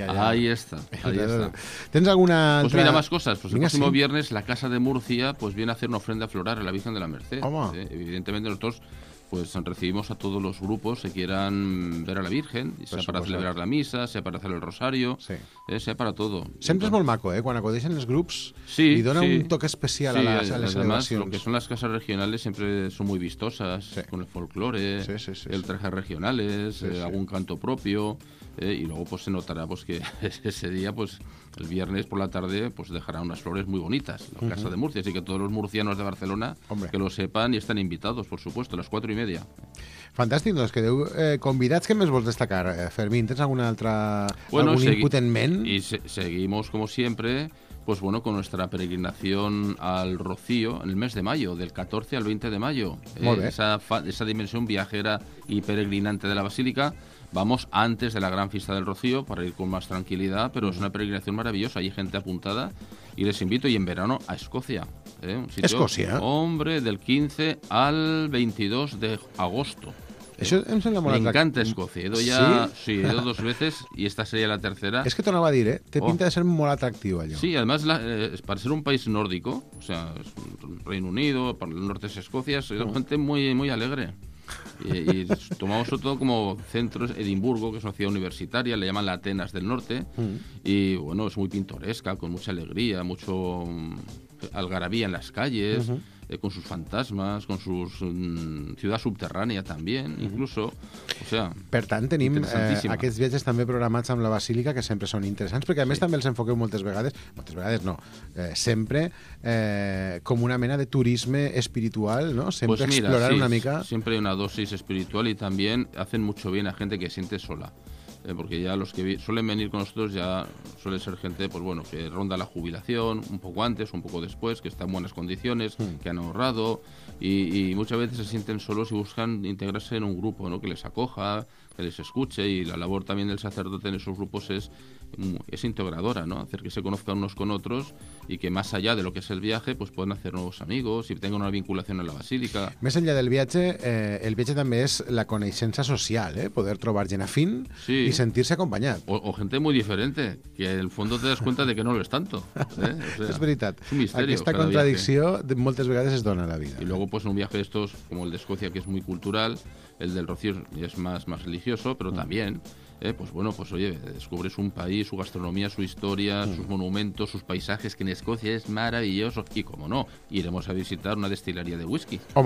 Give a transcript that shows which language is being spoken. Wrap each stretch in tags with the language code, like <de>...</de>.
<ca>Allà.</ca> <es>Ahí está. Ahí está.</es> <ca>¿Tens alguna altra...?</ca> <es>Pues mira, más cosas. Pues el próximo viernes la Casa de Murcia pues viene a hacer una ofrenda floral a la Virgen de la Merced. Evidentemente nosotros... pues recibimos a todos los grupos que quieran ver a la Virgen, sea pues para celebrar la misa, sea para hacer el rosario, sea para todo. Siempre es muy maco,</es> <ca>quan acudeixen els grups, i dona un toque especial a les celebracions.</ca> <es>Además, lo que son las casas regionales siempre son muy vistosas, con el folclore, el traje regionales, algún canto propio, y luego pues se notará pues que ese día, pues el viernes por la tarde, pues dejará unas flores muy bonitas la Casa de Murcia. Así que todos los murcianos de Barcelona, que lo sepan, y están invitados, por supuesto, a las 4:30.</es> <ca>Fantàstic, doncs quedeu convidats. Què més vols destacar, Fermín? Tens alguna altra, bueno, algun input en ment?</ca> <es>Y seguimos, como siempre, pues bueno, con nuestra peregrinación al Rocío en el mes de mayo, del 14 al 20 de mayo. Esa dimensión viajera y peregrinante de la Basílica. Vamos antes de la gran fiesta del Rocío para ir con más tranquilidad, pero es una peregrinación maravillosa. Hay gente apuntada y les invito. Y en verano a Escocia. Un sitio, Escocia. Hombre, del 15 al 22 de agosto.</es> <ca>Això em sembla molt atractiu. M'encanta Escocia.</ca> <es>He ido ya, he ido dos veces y esta sería la tercera. Es que te lo va a dir,</es> <ca>Té pinta de ser molt atractiu allò.</ca> <es>Sí, además, para ser un país nórdico, o sea, es un Reino Unido, para el norte es Escocia, es gente muy, muy alegre. Y tomamos todo como centro Edimburgo, que es una ciudad universitaria, le llaman la Atenas del Norte. Y bueno, es muy pintoresca, con mucha alegría, mucho algarabía en las calles, con sus fantasmas, con su ciudad subterránea también, incluso, o sea...</es> <ca>Per tant, tenim aquests viatges també programats amb la Basílica, que sempre són interessants, perquè a més també els enfoqueu moltes vegades, sempre com una mena de turisme espiritual, ¿no? Sempre</ca> <es>pues mira,</es> <ca>explorar una mica...</ca> <es>Siempre hay una dosis espiritual y también hacen mucho bien a gente que se siente sola. Porque ya los que suelen venir con nosotros ya suele ser gente, pues bueno, que ronda la jubilación un poco antes, un poco después, que está en buenas condiciones, que han ahorrado y muchas veces se sienten solos y buscan integrarse en un grupo, ¿no? Que les acoja, que les escuche, y la labor también del sacerdote en esos grupos es integradora, ¿no? Hacer que se conozcan unos con otros y que más allá de lo que es el viaje, pues puedan hacer nuevos amigos y tengan una vinculación a la Basílica.</es> <ca>Més enllà del viatge, el viatge també és la coneixença social, poder trobar gent afín i sentir-se acompanyat.</ca> <es>O gente muy diferente, que en el fondo te das cuenta de que no lo es tanto.</es> <ca>És veritat.</ca> <es>Es un misterio.</es> <ca>Aquesta contradicció moltes vegades es dona a la vida.</ca> <es>Y luego pues un viaje de estos, como el de Escocia, que es muy cultural, el del Rocío es más religioso, pero también... pues bueno, pues oye, descubres un país, su gastronomía, su historia, sus monumentos, sus paisajes, que en Escocia es maravilloso. Y como no, iremos a visitar una destilería de whisky.</es>